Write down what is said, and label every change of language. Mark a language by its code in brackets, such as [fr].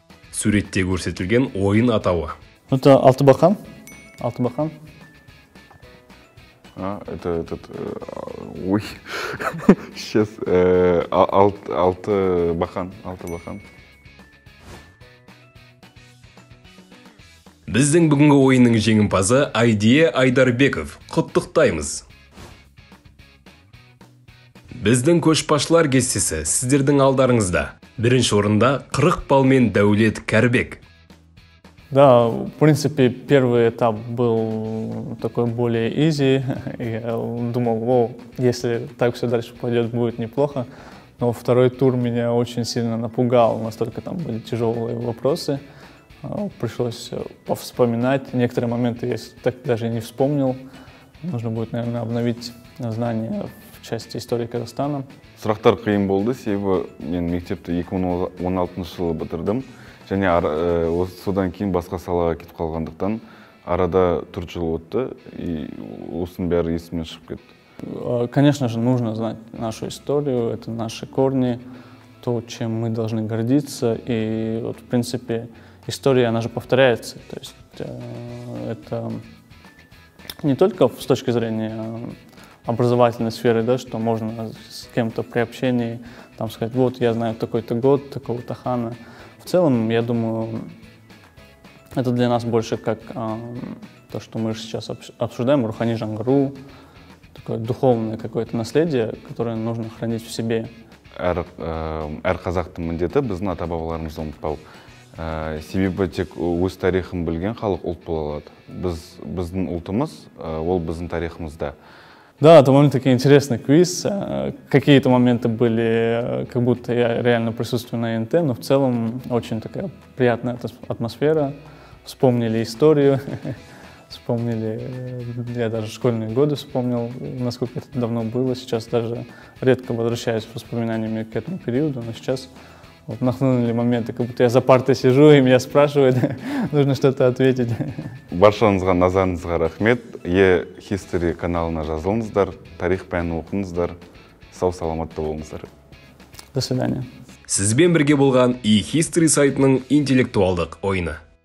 [kk] Суретте көрсетілген ойын атауы. [ru] Это Алтыбақан. Алтыбақан. А, это этот, ой, сейчас, Алтыбақан. [kk] Біздің бүгінгі ойының жеңімпазы Айдия Айдарбеков. Құттықтаймыз. Біздің көшбасшылар кестесі сіздердің алдарыңызда. Бірінші орында 40 балмен Дәулет Кәрбек. [ru] Да, в принципе, первый этап был такой более easy. Я думал, о, если так все дальше пойдет, будет неплохо. Но второй тур меня очень сильно напугал, настолько там были тяжелые вопросы. Пришлось повспоминать. Некоторые моменты я так даже и не вспомнил. Нужно будет, наверное, обновить знания в части истории Казахстана. [kk] Сұрақтар қиын болды, себебі мен мектепті 2016 жылы бітірдім. Және содан кейін басқа салаға кетіп қалғандықтан арада 4 жыл өтті, и осының бәрі есімнен шығып кетті. [ru] Конечно же, нужно знать нашу историю, это наши корни, то, чем мы должны гордиться. И вот, в принципе, история, она же повторяется. То есть это не только с точки зрения образовательной сферы, да, что можно с кем-то при общении там сказать, вот я знаю такой-то год, такого-то хана. В целом, я думаю, это для нас больше как то, что мы сейчас обсуждаем, Рухани Жангару. Такое духовное какое-то наследие, которое нужно хранить в себе. [kk] Әр қазақтың міндеті біздің ата-бабаларымызды ұмытпау. Себебі тек өз тарихын білген халық ұлт бола алады. Біздің ұлтымыз, ол біздің тарихымызда. [ru] Да, это момент такой интересный квиз. Какие-то моменты были, как будто я реально присутствую на НТ, но в целом очень такая приятная атмосфера. Вспомнили историю. Вспомнили, я даже школьные годы вспомнил, насколько это давно было. Сейчас даже редко возвращаюсь воспоминаниями к этому периоду, но сейчас вот нахлынули моменты, как будто я за партой сижу, и меня спрашивают, нужно что-то ответить. [kk] Баршаңызға, назарыңызға рахмет. E-History каналына жазылыңыздар, тарих пәнін оқыңыздар. Сау-саламатты болыңыздар. [ru] До свидания. [kk] Сізбен бірге болған E-History сайтының интеллектуалдық ойыны.